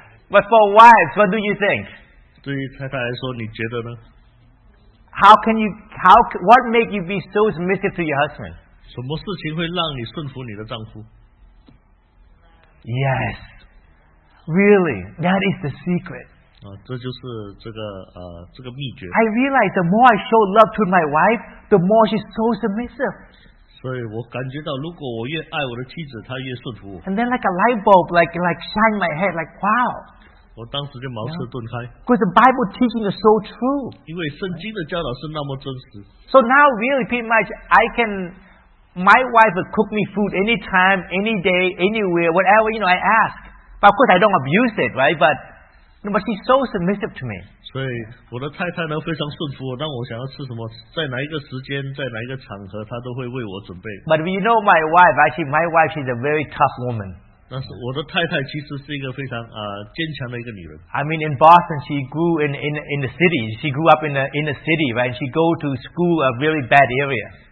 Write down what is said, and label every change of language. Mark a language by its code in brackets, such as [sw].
[en] But for wives, what do you think? [zh] 对于太太来说，你觉得呢？ [en] What make you be so submissive to your husband? [zh] 什么事情会让你顺服你的丈夫？ [en] Yes. Really, that is the secret. [zh] 这就是这个秘诀。 [en] I realize the more I show love to my wife, the more she's so submissive. [zh] 所以我感觉到，如果我越爱我的妻子，她越顺服我。 [en] And then, like a light bulb, like shine my head, like wow. [zh] 我当时就茅塞顿开。 [en] Because the Bible teaching is so true. [zh] 因为圣经的教导是那么真实。 [en] So now, really, pretty much, I can. My wife will cook me food anytime, any day, anywhere, whatever, you know, I ask. But of course, I don't abuse it, right? But she's so submissive to me. [zh] 所以我的太太呢非常顺服我，当我想要吃什么，在哪一个时间，在哪一个场合，她都会为我准备。 [en] But you know my wife, actually, my wife, she's a very tough woman. [zh] 但是我的太太其实是一个非常坚强的一个女人。 [en] I mean, in Boston, she grew in the city. She grew up in the city, right? She go to school a really bad area.